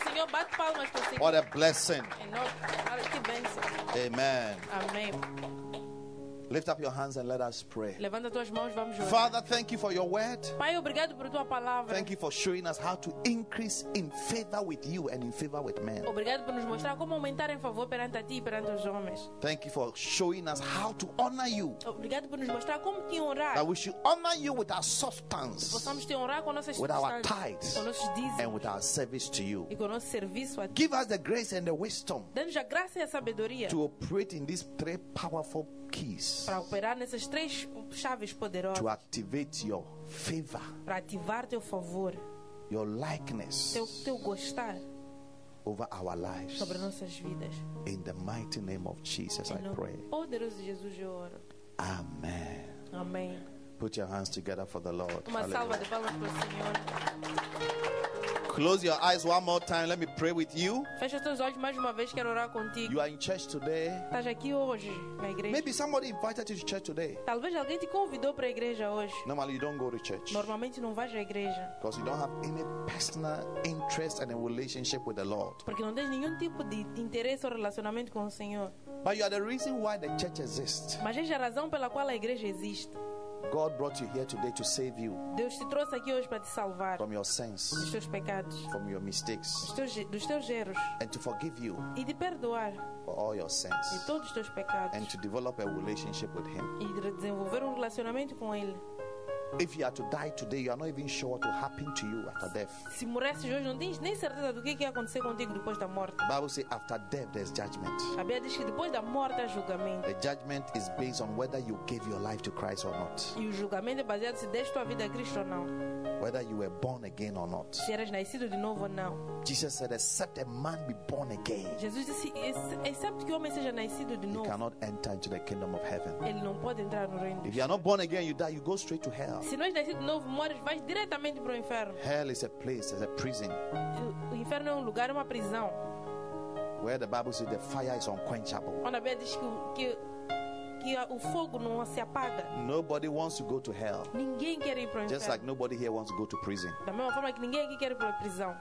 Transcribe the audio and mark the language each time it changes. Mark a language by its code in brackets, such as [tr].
[pt] Bate palmas para o Senhor. [en] What a blessing. [pt] Que bênção. [en] Amen. [pt] Amém. [en] Lift up your hands and let us pray. [pt] Levanta tuas mãos, vamos orar. [en] Father, thank you for your word. [pt] Pai, obrigado por tua palavra. [en] Thank you for showing us how to increase in favor with you and in favor with men. [pt] Obrigado por nos mostrar como aumentar em favor perante a ti e perante os homens. [en] Thank you for showing us how to honor you. [pt] Obrigado por nos mostrar como te honrar. [en] That we should honor you with our substance. [pt] Possamos te honrar com nossas [en] with our tithes. [pt] Com nossos dízimos. [en] And with our service to you. [pt] E com nosso serviço a ti. [en] Give us the grace and the wisdom. [pt] Dê-nos a graça e a sabedoria. [en] To operate in these three powerful keys. [pt] Para operar nessas três chaves poderosas. [en] To activate your favor. [pt] Para ativar teu favor. [en] Your likeness. [pt] Teu gostar. [en] Over our lives. [pt] Sobre nossas vidas. [en] In the mighty name of Jesus, [pt] em nome [en] I pray. [pt] Poderoso de Jesus, eu oro. [en] Amen. [pt] Amém. [en] Put your hands together for the Lord. [pt] Uma [en] Hallelujah. [pt] Salva de palmas para o Senhor. [en] Close your eyes one more time. Let me pray with you. [pt] Fecha os teus olhos mais uma vez. Quero orar contigo. [en] You are in church today. [pt] Estás aqui hoje na igreja. [en] Maybe somebody invited you to church today. [pt] Talvez alguém te convidou para a igreja hoje. [en] Normally you don't go to church. [pt] Normalmente não vais à igreja. [en] Because you don't have any personal interest and a relationship with the Lord. [pt] Porque não tens nenhum tipo de interesse ou relacionamento com o Senhor. [en] But you are the reason why the church exists. [pt] Mas és a razão pela qual a igreja existe. [en] God brought you here today to save you. [pt] Deus te trouxe aqui hoje para te salvar. [en] From your sins. [pt] Dos teus pecados. [en] From your mistakes. [pt] Dos teus erros. [en] And to forgive you. [pt] E de perdoar. [en] For all your sins. [pt] E todos os teus pecados. [en] And to develop a relationship with Him. [pt] E de desenvolver relacionamento com Ele. [en] If you are to die today, you are not even sure what will happen to you after death. [pt] Se morresse hoje, não tens nem certeza do que ia acontecer contigo depois da morte. [en] The Bible says after death there's judgment. [pt] A Bíblia diz que depois da morte há julgamento. [en] The judgment is based on whether you gave your life to Christ or not. [pt] E o julgamento é baseado se deste tua vida a Cristo ou não. [en] Whether you were born again or not. [pt] Se eras nascido de novo ou não. [en] Jesus said, except a man be born again. [pt] Jesus disse, excepto que o homem seja nascido de novo. [en] He cannot enter into the kingdom of heaven. [pt] Ele não pode entrar no reino. [en] If you are not born again, you die. You go straight to hell. [pt] Se não és nascido de novo, morres, vais diretamente para o inferno. [en] Hell is a place, it's a prison. [pt] O inferno é um lugar, é uma prisão. [en] Where the Bible says the fire is unquenchable. [pt] Onde a Bíblia diz que o fogo não se apaga. [en] Nobody wants to go to hell. [pt] Ninguém quer ir para o inferno. [en] Just like nobody here wants to go to prison. [pt] Da mesma forma que ninguém aqui quer ir para a prisão.